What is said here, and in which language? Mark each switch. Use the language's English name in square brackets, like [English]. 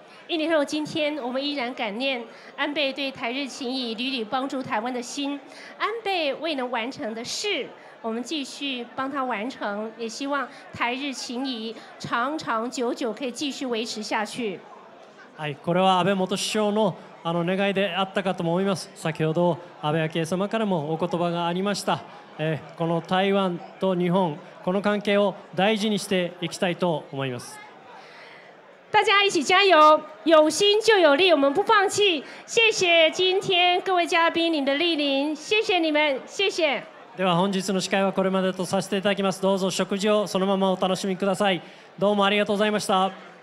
[Chinese] 印尼肉，今天我们依然感念安倍对台日情谊屡屡帮助台湾的心，安倍未能完成的事我们继续帮他完成，也希望台日情谊长长久久可以继续维持下去。 [Japanese] はい、これは安倍元首相 の願いであったかと思います。先ほど安倍昭恵様からもお言葉がありました、この台湾と日本この関係を大事にしていきたいと思います。 [Chinese] 大家一起加油，有心就有力，我们不放弃。谢谢今天各位嘉宾您的莅临，谢谢你们，谢谢。 [Japanese] では本日の司会はこれまでとさせていただきます。どうぞ食事をそのままお楽しみください。どうもありがとうございました。